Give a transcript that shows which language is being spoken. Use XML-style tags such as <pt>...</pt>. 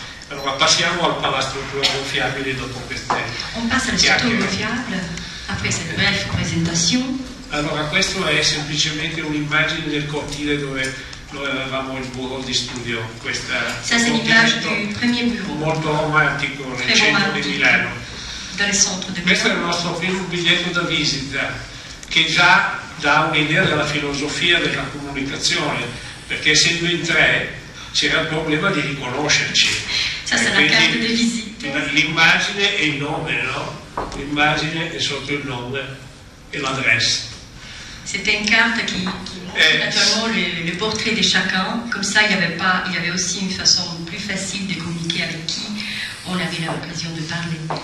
<it>Allora passiamo alla struttura gonfiabile dopo queste.</it> <fr>On passe à la structure gonfiable après cette brève présentation.</fr> <it>Allora questo è semplicemente un'immagine del cortile dove noi avevamo il bureau di studio, questa è l'immagine del primo bureau. Molto romantico nel centro di Milano. Dal centro di questo è il nostro primo biglietto da visita, che già dà un'idea della filosofia della comunicazione, perché essendo in tre c'era il problema di riconoscerci. Ça, c'è la carte di visita. L'immagine e il nome, no? L'immagine è sotto il nome e l'adresse.</it> <fr>C'était une carte qui montrait naturellement le portrait de chacun. Comme ça, il y avait aussi une façon plus facile de communiquer avec qui on avait l'occasion de parler.</fr>